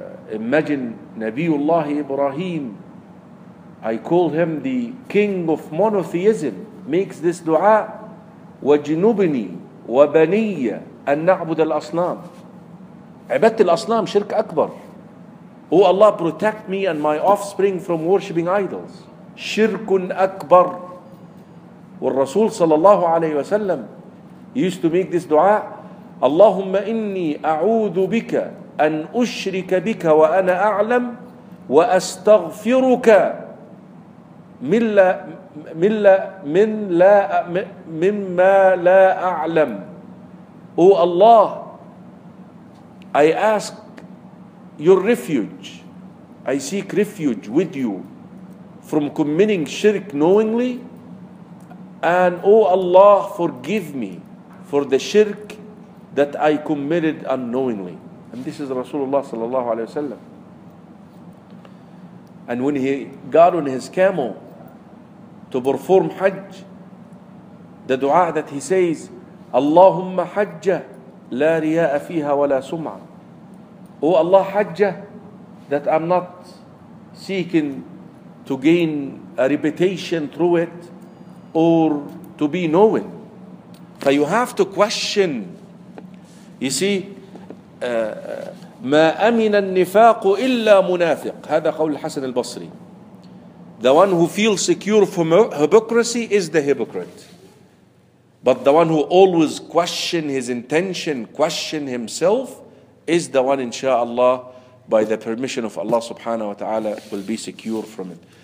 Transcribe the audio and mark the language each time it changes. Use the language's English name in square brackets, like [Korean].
[English] imagine Nabiullah Ibrahim, I call him the king of monotheism, makes this dua, [Arabic] وَجْنُبْنِي وَبَنِيَّ أَنْ نَعْبُدَ الْأَصْنَامِ. عبادة الأصنام شرك أكبر. [English] Oh Allah, protect me and my offspring from worshipping idols. [Arabic] شرك أكبر. والرسول صلى الله عليه وسلم [English] used to make this [Arabic] دعاء, اللهم إني أعوذ بك أن أشرك بك وأنا أعلم وأستغفرك مما لا أعلم. [English] Oh Allah, I ask your refuge, I seek refuge with you from committing shirk knowingly, and oh Allah, forgive me for the shirk that I committed unknowingly. And this is Rasulullah sallallahu alayhi wa sallam. And when he got on his camel to perform Hajj, the dua that he says, [Arabic] Allahumma hajja la riya'a fiha wa la sum'a. [English] Oh Allah, hajja, that I'm not seeking to gain a reputation through it or to be known. But you have to question. You see, [Arabic] ما أمن النفاق إلا منافق. هذا قول الحسن البصري. [English] The one who feels secure from hypocrisy is the hypocrite. But the one who always question his intention, question himself, is the one, inshallah, by the permission of Allah subhanahu wa ta'ala, will be secure from it.